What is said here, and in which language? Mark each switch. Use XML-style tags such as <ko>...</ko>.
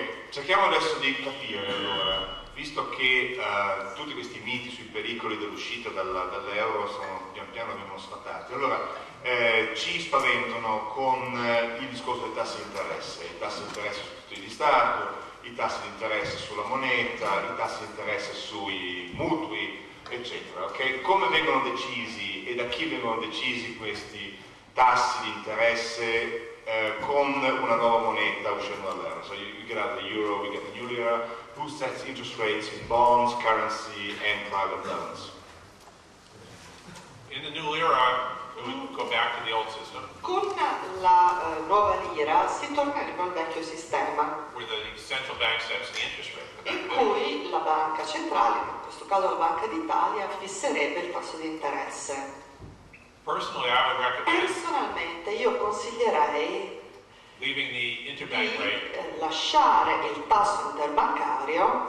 <it>Cerchiamo adesso di capire allora, visto che tutti questi miti sui pericoli dell'uscita dall'euro sono pian piano vengono sfatati, allora ci spaventano con il discorso dei tassi di interesse, i tassi di interesse sui titoli di Stato, i tassi di interesse sulla moneta, i tassi di interesse sui mutui, eccetera. Okay? Come vengono decisi e da chi vengono decisi questi tassi di interesse con una nuova moneta uscendo dall'euro?</it> <en>So you get out the euro, we get the new lira. Who sets interest rates in bonds, currency and private loans? In the new lira, we go back to the old system.</en> <it>Con la nuova lira si tornerebbe al vecchio sistema.</it> <en>Where the central bank sets the interest rate.</en> <it>E poi la banca centrale, in questo caso la Banca d'Italia, fisserebbe il tasso di interesse.</it> <en>Personally, I would recommend</en> <it>personalmente io consiglierei</it> <en>leaving the interbank</en> <it>di</it> <en>rate,</en> <it>lasciare il tasso interbancario</it>